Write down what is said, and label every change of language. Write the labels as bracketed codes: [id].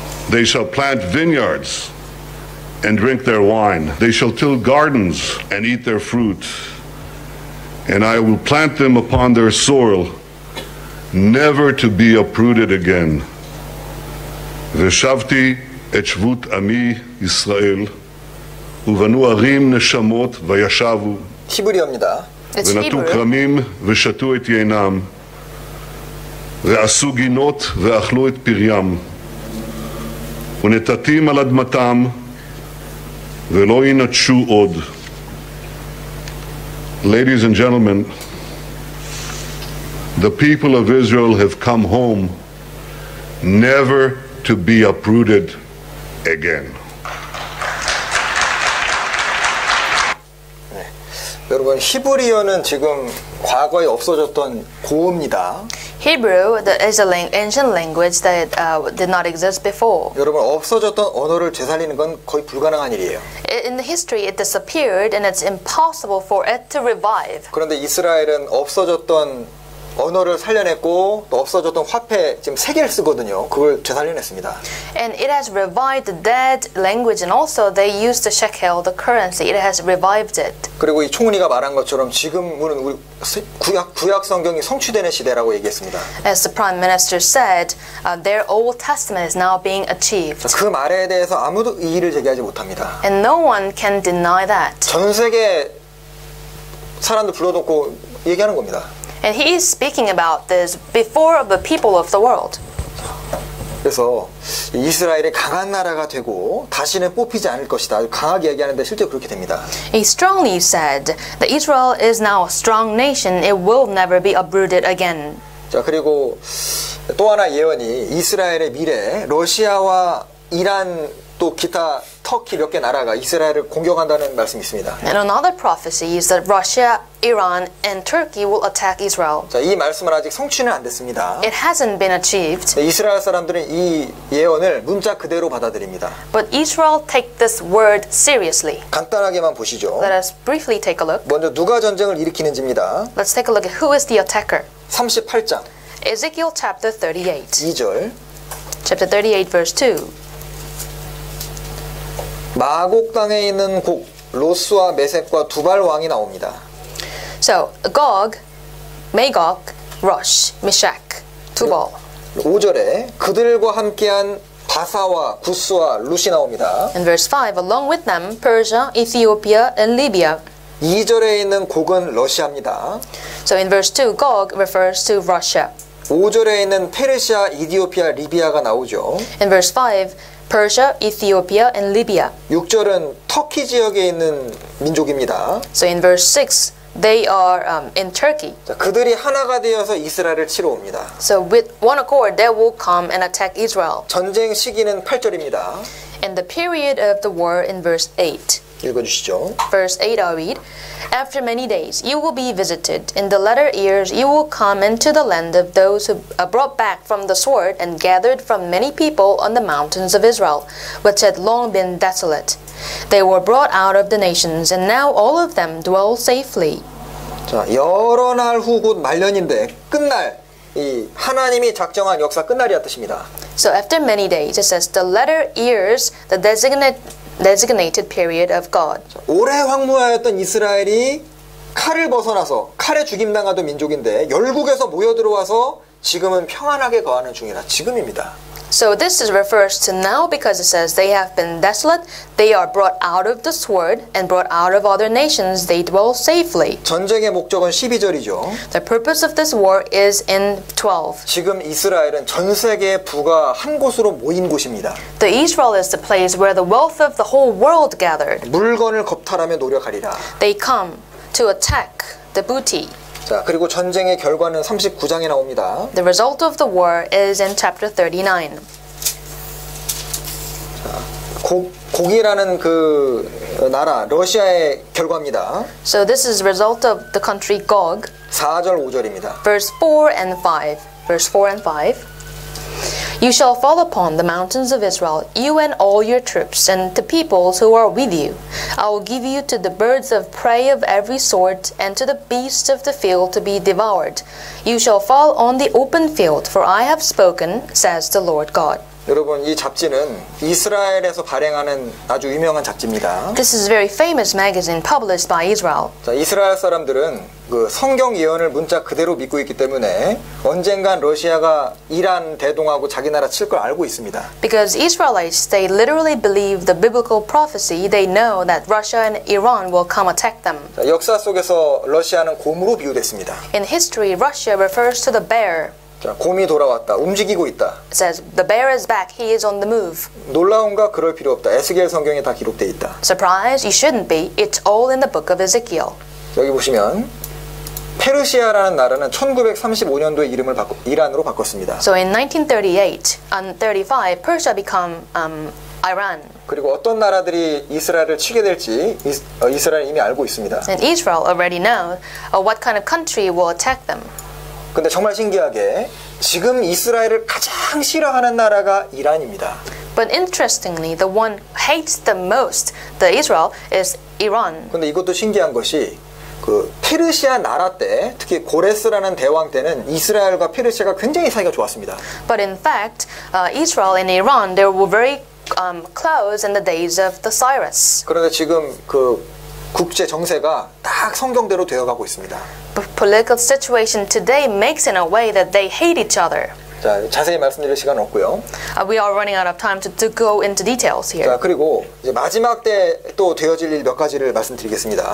[en] They shall plant vineyards and drink their wine. They shall till gardens and eat their fruit. And I will plant them upon their soil, never to be uprooted again. [he] ושבתי את שבות עמי ישראל ובנו ערים נשמות וישבו היבריאומנידה ונטו כרמים ושתו את יינם ועשו גינות ואכלו את פריים ונטטים על אדמתם ולא ינטשו עוד. [en] Ladies and gentlemen, the people of Israel have come home never to be uprooted again. [ko] 네, 여러분 히브리어는 지금 과거에 없어졌던 고음입니다. [en] Hebrew is an ancient language that did not exist before. [ko] 여러분 없어졌던 언어를 되살리는 건 거의 불가능한 일이에요. [en] In the history, it disappeared, and it's impossible for it to revive. [ko] 그런데 이스라엘은 없어졌던 언어를 살려냈고 또 없어졌던 화폐 지금 세 개를 쓰거든요. 그걸 되살려냈습니다. [en] And it has revived the dead language and also they used the shekel, the currency. It has revived it. [ko] 그리고 이 총리가 말한 것처럼 지금은 우리 구약 성경이 성취되는 시대라고 얘기했습니다. [en] As the prime minister said, their Old Testament is now being achieved. [ko] 그 말에 대해서 아무도 이의를 제기하지 못합니다. [en] And no one can deny that. [ko] 전 세계 사람들 불러놓고 얘기하는 겁니다. [en] And he is speaking about this before the people of the world. [ko] 그래서 이스라엘의 강한 나라가 되고 다시는 뽑히지 않을 것이다. 강하게 얘기하는데 실제 그렇게 됩니다. [en] He strongly said that Israel is now a strong nation. It will never be uprooted again. [ko] 자, 그리고 또 하나 예언이 이스라엘의 미래, 러시아와 이란 또 기타 터키 몇 개 나라가 이스라엘을 공격한다는 말씀이 있습니다. [en] And another prophecy is that Russia, Iran, and Turkey will attack Israel. [ko] 자, 이 말씀은 아직 성취는 안 됐습니다. [en] It hasn't been achieved. [ko] 네, 이스라엘 사람들은 이 예언을 문자 그대로 받아들입니다. [en] But Israel take this word seriously. [ko] 간단하게만 보시죠. [en] Let us briefly take a look. [ko] 먼저 누가 전쟁을 일으키는지입니다. [en] Let's take a look at who is the attacker. [ko] 38장. [en] Ezekiel chapter 38. [ko] 2절. [en] Chapter 38 verse 2. [ko] 마곡 땅에 있는 곡 로스와 메섹과 두발 왕이 나옵니다. [en] So Gog, Magog, Rosh, Meshach, Tubal. [ko] 5절에 그들과 함께한 바사와 구스와 룻이 나옵니다. [en] And verse 5, along with them, Persia, Ethiopia, and Libya. [ko] 2절에 있는 곡은 러시아입니다. [en] So in verse 2, Gog refers to Russia. [ko] 5절에 있는 페르시아, 이디오피아, 리비아가 나오죠. [en] In verse 5. Persia, Ethiopia, and Libya. [ko] 6절은 터키 지역에 있는 민족입니다. [en] So in verse 6, they are in Turkey. [ko] 자, 그들이 하나가 되어서 이스라엘을 치러 옵니다. [en] So with one accord, they will come and attack Israel. [ko] 전쟁 시기는 8절입니다. [en] And the period of the war in verse 8. [ko] 읽어주시죠. [en] Verse 8, I'll read. After many days, you will be visited. In the latter years, you will come into the land of those who are brought back from the sword and gathered from many people on the mountains of Israel, which had long been desolate. They were brought out of the nations, and now all of them dwell safely. [ko] 자, 여러 날 후 곧 말년인데 끝날. 이 하나님이 작정한 역사 끝날이란 뜻입니다. [en] So after many days, it says the latter years, the designated period of God. [ko] 오래 황무하였던 이스라엘이 칼을 벗어나서 칼에 죽임당하던 민족인데 열국에서 모여들어와서 지금은 평안하게 거하는 중이라 지금입니다. [en] So this refers to now because it says they have been desolate, they are brought out of the sword and brought out of other nations, they dwell safely. [ko] 전쟁의 목적은 12절이죠. [en] The purpose of this war is in 12. [ko] 지금 이스라엘은 전 세계의 부가 한 곳으로 모인 곳입니다. [en] The Israel is the place where the wealth of the whole world gathered. [ko] 물건을 겁탈하며 노력하리라. [en] They come to attack the booty. [ko] 자, 그리고 전쟁의 결과는 39장에 나옵니다. [en] The result of the war is in chapter 39. [ko] 자, 곡이라는 그 나라, 러시아의 결과입니다. [en] So this is the result of the country Gog. [ko] 4절, 5절입니다. [en] Verse 4 and 5. Verse 4 and 5. You shall fall upon the mountains of Israel, you and all your troops, and the peoples who are with you. I will give you to the birds of prey of every sort, and to the beasts of the field to be devoured. You shall fall on the open field, for I have spoken, says the Lord God. [ko] 여러분, 이 잡지는 이스라엘에서 발행하는 아주 유명한 잡지입니다. [en] This is a very famous magazine published by Israel. [ko] 자, 이스라엘 사람들은 그 성경 예언을 문자 그대로 믿고 있기 때문에 언젠간 러시아가 이란 대동하고 자기 나라 칠 걸 알고 있습니다. [en] Because Israelites, they literally believe the biblical prophecy. They know that Russia and Iran will come attack them. [ko] 자, 역사 속에서 러시아는 곰으로 비유됐습니다. [en] In history, Russia refers to the bear. [ko] 자, 곰이 돌아왔다. 움직이고 있다. [en] It says the bear is back. He is on the move. [ko] 놀라운가? 그럴 필요 없다. 에스겔 성경에 다 기록돼 있다. [en] Surprise? You shouldn't be. It's all in the book of Ezekiel. [ko] 여기 보시면 페르시아라는 나라는 1935년도에 이름을 이란으로 바꿨습니다. [en] So in 1935, Persia became Iran. [ko] 그리고 어떤 나라들이 이스라엘을 치게 될지 이스라엘 이미 알고 있습니다. [en] And Israel already know what kind of country will attack them. [ko] 근데 정말 신기하게 지금 이스라엘을 가장 싫어하는 나라가 이란입니다. [en] But interestingly, the one hates the most, the Israel, is Iran. [ko] 근데 이것도 신기한 것이 그 페르시아 나라 때, 특히 고레스라는 대왕 때는 이스라엘과 페르시아가 굉장히 사이가 좋았습니다. [en] But in fact, Israel and Iran, they were very close in the days of the Cyrus. [ko] 그런데 지금 그 국제 정세가 딱 성경대로 되어가고 있습니다. [en] Political situation today makes in a way that they hate each other. [ko] 자, 자세히 말씀드릴 시간 없고요. [en] We are running out of time to go into details here. [ko] 자, 그리고 이제 마지막 때 또 되어질 일 몇 가지를 말씀드리겠습니다.